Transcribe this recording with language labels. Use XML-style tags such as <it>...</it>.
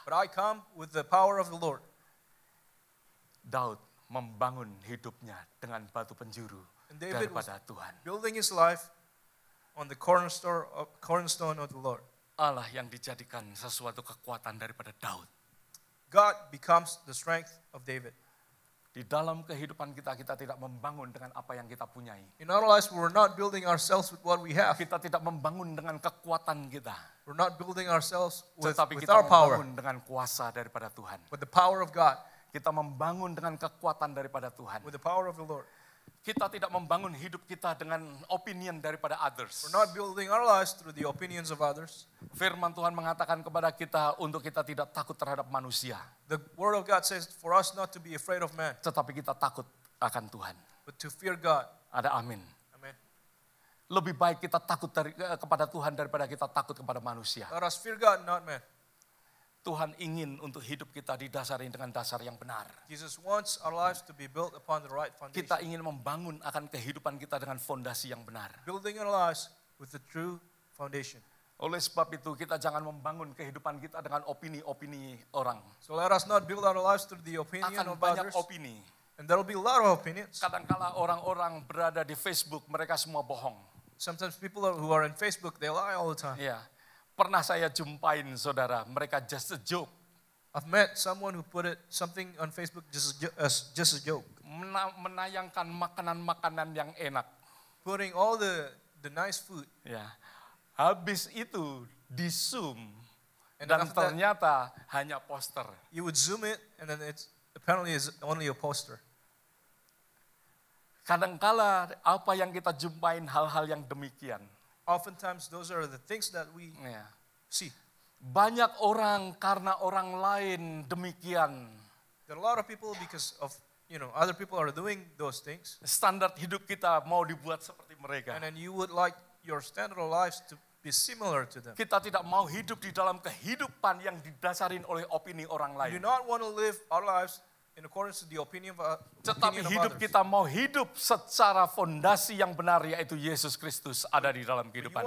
<en>But I come with the power of the Lord.</en> <id>Daud membangun hidupnya dengan batu penjuru daripada Tuhan.</id> <en>Building his life on the cornerstone of the Lord.</en> <id>Allah yang dijadikan sesuatu kekuatan daripada Daud.</id> <en>God becomes the strength of David.</en> <id>Di dalam kehidupan kita, kita tidak membangun dengan apa yang kita punyai.</id> <en>In our lives, we're not building ourselves with what we have.</en> <id>Kita tidak membangun dengan kekuatan kita.</id> <en>We're not building ourselves with our power.</en> <id>Tetapi kita membangun dengan kuasa daripada Tuhan.</id> <en>With the power of God.</en> <id>Kita membangun dengan kekuatan daripada Tuhan.</id> <en>With the power of the Lord.</en> <id>Kita tidak membangun hidup kita dengan opinion daripada others.</id> <en>We're not building our lives through the opinions of others.</en> <id>Firman Tuhan mengatakan kepada kita untuk kita tidak takut terhadap manusia.</id> <en>The word of God says for us not to be afraid of man.</en> <id>Tetapi kita takut akan Tuhan.</id> <en>But to fear God.</en> <id>Ada amin. Amen. Lebih baik kita takut kepada Tuhan daripada kita takut kepada manusia.</id> <en>Let us fear God, not man.</en> <id>Tuhan ingin untuk hidup kita didasari dengan dasar yang benar.</id> <en>Jesus wants our lives to be built upon the right foundation.</en> <id>Kita ingin membangun akan kehidupan kita dengan fondasi yang benar.</id> <en>Building our lives with the true foundation.</en> <id>Oleh sebab itu kita jangan membangun kehidupan kita dengan opini-opini orang.</id> <en>So let us not build our lives through the opinion</en> <id>akan</id> <en>of others.</en> <id>Akan banyak opini.</id> <en>And there will be a lot of opinions.</en> <id>Kadangkala orang-orang berada di Facebook, mereka semua bohong.</id> <en>Sometimes people who are in Facebook, they lie all the time.</en> <id>Yeah. Pernah saya jumpain saudara, mereka</id> <en>just a joke. I've met someone who put it something on Facebook just a joke.</en> <id>Menayangkan makanan-makanan yang enak.</id> <en>Putting all the nice food. Ya, yeah.</en> <id>Habis itu di zoom dan ternyata</id> <en>that,</en> <id>hanya poster.</id> <en>You would zoom it and then it's apparently is only a poster.</en> <id>Kadangkala apa yang kita jumpain hal-hal yang demikian.</id> <en>Oftentimes those are the things that we yeah. see.</en> <id>Banyak orang karena orang lain demikian.</id> <en>There are a lot of people because of, you know, other people are doing those things.</en> <id>Standard hidup kita mau dibuat seperti mereka.</id> <en>And then you would like your standard of lives to be similar to them.</en> <id>Kita tidak mau hidup di dalam kehidupan yang didasarin oleh opini orang lain.</id> <en>We do not want to live our lives in accordance to the opinion of others.</en> <id>Tetapi hidup kita mau hidup secara fondasi yang benar, yaitu Yesus Kristus ada di dalam kehidupan kita.</id>